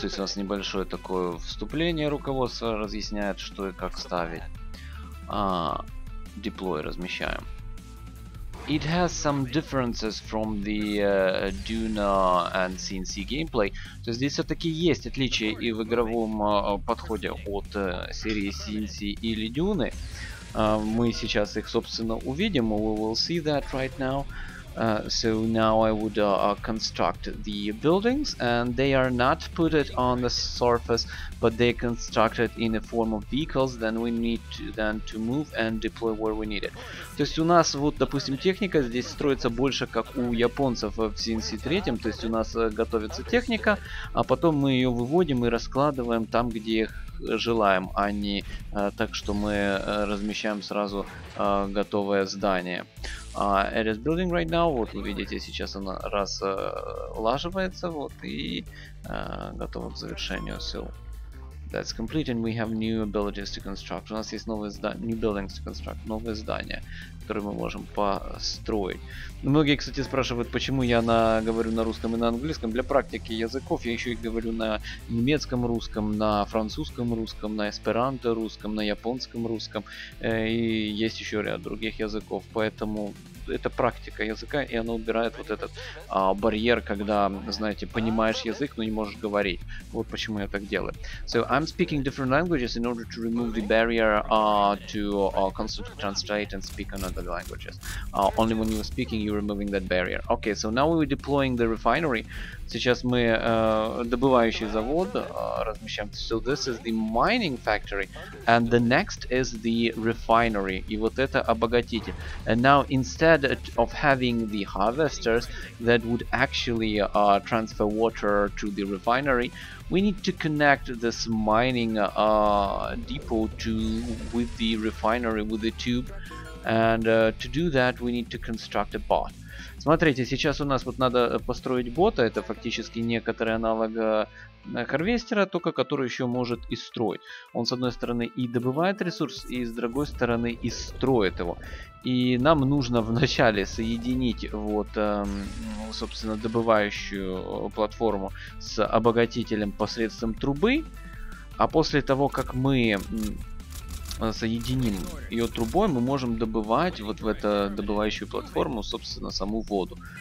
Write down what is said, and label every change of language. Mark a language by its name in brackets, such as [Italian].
[Russian] То есть у нас небольшое такое вступление, руководство разъясняет, что и как ставить. Deploy размещаем. [English] It has some differences from the Duna and CNC gameplay. [Russian] То есть здесь все-таки есть отличия и в игровом подходе от серии CNC или Duna. Мы сейчас их, собственно, увидим. [English] We will see that right now. So now I would construct the buildings, and they are not put it on the surface, but they constructed in the form of vehicles. Then we need to, then to move and deploy where we need it. [Russian] То есть у нас вот, допустим, техника здесь строится больше, как у японцев в CNC 3. То есть у нас готовится техника, а потом мы ее выводим и раскладываем там, где желаем, а не так, что мы размещаем сразу готовое здание. [English] It is building right now. [Russian] Вот вы видите, сейчас она раз лаживается, вот, и готова к завершению. [English] So that's complete, and we have new abilities to construct. [Russian] У нас есть новые здания, [English] new buildings to construct, [Russian] новые здания, которые мы можем построить. Многие, кстати, спрашивают, почему я говорю на русском и на английском. Для практики языков я еще и говорю на немецком русском, на французском русском, на эсперанто русском, на японском русском. И есть еще ряд других языков. Поэтому это практика языка, и она убирает вот этот барьер, когда, знаете, понимаешь язык, но не можешь говорить. Вот почему я так делаю. [English] So I'm speaking different languages in order to remove the barrier to constantly translate and speak another languages. Only when you're speaking, you're removing that barrier. Okay, so now we're deploying the refinery. [Russian] Сейчас мы добывающий завод размещаем. [English] So this is the mining factory, and the next is the refinery. [Russian] И вот это обогатитель. [English] And now instead of having the harvesters that would actually transfer water to the refinery, we need to connect this mining depot to with the refinery, with the tube. And to do that, we need to construct a bot. [Russian] Смотрите, сейчас у нас вот надо построить бота, это фактически некоторый аналог харвестера, только который еще может и строить. Он с одной стороны и добывает ресурс, и с другой стороны и строит его. И нам нужно вначале соединить вот, собственно, добывающую платформу с обогатителем посредством трубы, а после того, как мы соединим ее трубой, мы можем добывать вот в эту добывающую платформу, собственно, саму воду.